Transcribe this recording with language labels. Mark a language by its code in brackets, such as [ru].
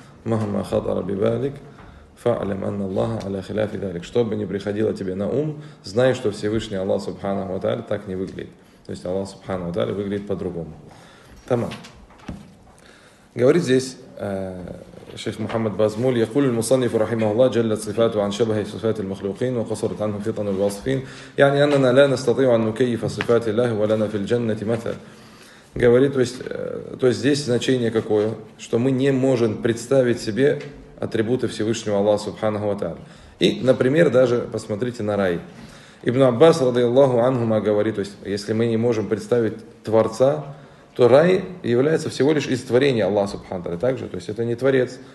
[ar] مهما خطر ببالك فاعلم ان الله على خلاف ذلك. [ru] Что бы ни приходило тебе на ум, знай, что Всевышний Аллах Субханаху ва Тааля так не выглядит. То есть Аллах Субханаху ва Тааля выглядит по-другому. Тамам. Говорит здесь шейх Мухаммад Базмуль, [ar] يقول المصنف رحمه الله جل صفاته عن شبه صفات المخلوقين وقصرت عنه فطن الواصفين, يعني اننا لا نستطيع ان نكيف صفات الله ولنا في الجنه مثل. [ru] Говорит, то есть здесь значение какое, что мы не можем представить себе атрибуты Всевышнего Аллаха Субханаху ва Тааля. И, например, даже посмотрите на рай. Ибн Аббас, радиаллаху анхума, говорит, то есть если мы не можем представить Творца, то рай является всего лишь из творения Аллаха Субханаху ва Тааля. Также, то есть это не Творец.